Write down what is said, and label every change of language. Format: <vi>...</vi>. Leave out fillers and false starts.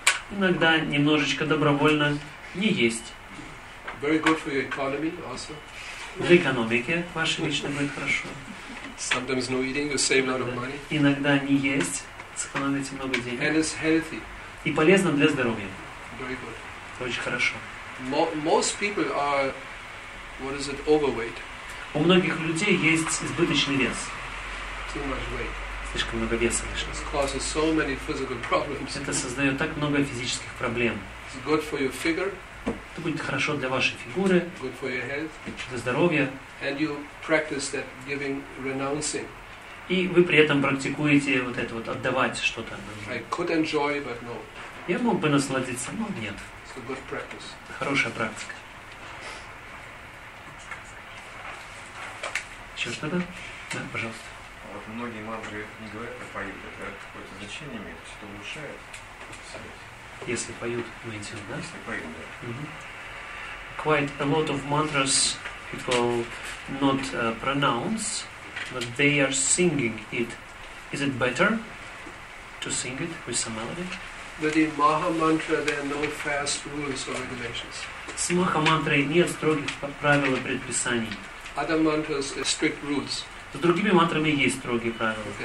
<ru>Иногда немножечко добровольно не есть.</ru> <en>Very good for your economy also.</en> <ru>Для экономики ваше лично будет хорошо.</ru> <en>Sometimes no eating, you save a lot of money.</en> <ru>Иногда не есть, сэкономите много денег.</ru> <en>And it's healthy.</en> <ru>И полезно для здоровья.</ru> <en>Very good.</en> <ru>Это очень хорошо.</ru> <en>Most people are, what is it, overweight.</en> <ru>У многих людей есть избыточный вес.</ru> <en>Too much weight.</en> <ru>Слишком много веса лишнего.</ru> <en>It causes so many physical problems.</en> <ru>Это создает так много физических проблем.</ru> <en>It's good for your figure.</en> <ru>Это будет хорошо для вашей фигуры,</ru> <en>good for your health,</en> <ru>для здоровья.</ru> <en>And you practice that giving, renouncing.</en> <ru>И вы при этом практикуете вот это вот отдавать что-то.</ru> <en>I could enjoy, but no.</en> <ru>Я мог бы насладиться, но нет.</ru> <en>It's a good practice.</en> <ru>Это хорошая практика. Еще что-то? Да, пожалуйста. А вот многие мантры не говорят про поют, это какое-то значение имеет, что-то улучшает. Если поют, имеете в виду, да? Если поют, да. Mm-hmm.</ru> <en>Quite a lot of mantras people not pronounce, but they are singing it. Is it better to sing it with some melody? But in Maha Mantra there are no fast rules or regulations.</en> <ru>С Маха Мантрой нет строгих правил и предписаний.</ru> <en>Other mantras are strict rules.</en> <ru>С другими мантрами есть строгие правила.</ru>